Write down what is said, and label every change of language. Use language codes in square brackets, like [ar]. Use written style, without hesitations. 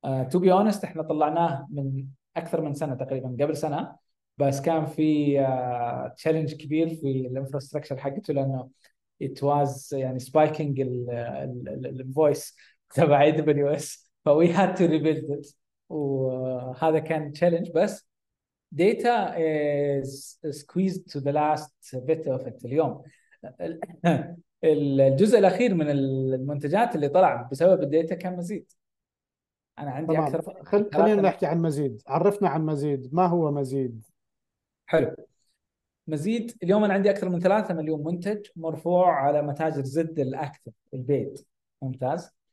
[en] to be honest [ar] احنا طلعناه من اكثر من سنه تقريبا، قبل سنه، بس كان في تشالنج كبير في الانفراستراكشر حقته لانه [en] it was [ar] يعني [en] spiking the voice [ar] تبع AWS، ف [en] we had to rebuild it، [ar] وهذا كان challenge. بس [en] data is squeezed to the last bit of it. [ar] اليوم الجزء الأخير من المنتجات اللي طلع بسبب الداتا كان مزيد. أنا عندي تمام. أكثر خلينا نحكي عن مزيد، عرفنا عن مزيد، ما هو مزيد؟ حلو، مزيد اليوم انا عندي اكثر من 3 مليون منتج مرفوع على متاجر زد الاكتف البيت، ممتاز.